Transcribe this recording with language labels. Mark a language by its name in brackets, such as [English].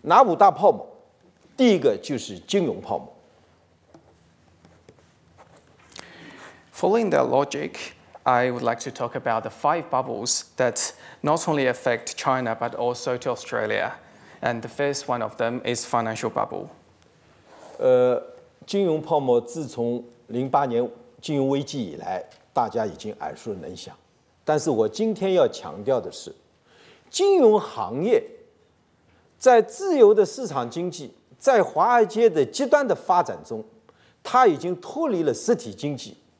[Chinese] 但是我现在展示另外一个逻辑线，这个逻辑线就是，超越中国，实际上澳大利亚也深陷其中的一个五个大泡沫。哪五大泡沫？第一个就是金融泡沫。 [English] Following the logic, I would like to talk about the five bubbles that not only affect China, but also to Australia. And the first one of them is financial bubble. [Chinese] 金融泡沫自从08年金融危机以来，大家已经耳熟能详。但是我今天要强调的是，金融行业在自由的市场经济，在华尔街的极端的发展中，它已经脱离了实体经济。